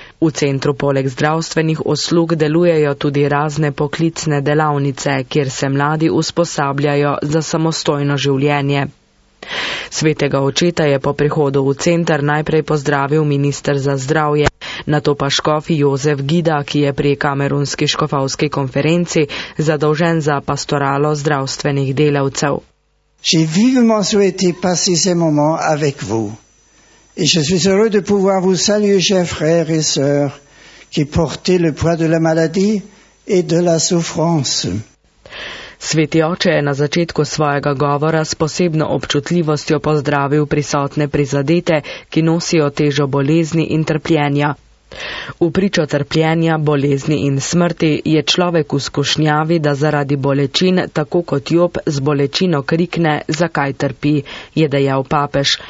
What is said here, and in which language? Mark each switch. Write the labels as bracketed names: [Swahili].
[Slovenian] V centru poleg zdravstvenih uslug delujejo tudi razne poklicne delavnice, kjer se mladi usposabljajo za samostojno življenje. Svetega očeta je po prihodu v center najprej pozdravil minister za zdravje, Na to pa škof Jozef Gida, ki je pri Kamerunski škofovski konferenci zadolžen za pastoralo zdravstvenih delavcev. [French] Je vivement souhaité passer ces moments avec vous. Et je suis heureux de pouvoir vous saluer, chers frères et sœurs, qui portez le poids de la maladie et de la souffrance. [Slovenian] Sveti oče je na začetku svojega govora s posebno občutljivostjo pozdravil prisotne prizadete, ki nosijo težo bolezni in trpljenja. V pričo trpljenja, bolezni in smrti je človek v skušnjavi, da zaradi bolečin, tako kot Job, z bolečino krikne, zakaj trpi, je dejal papež.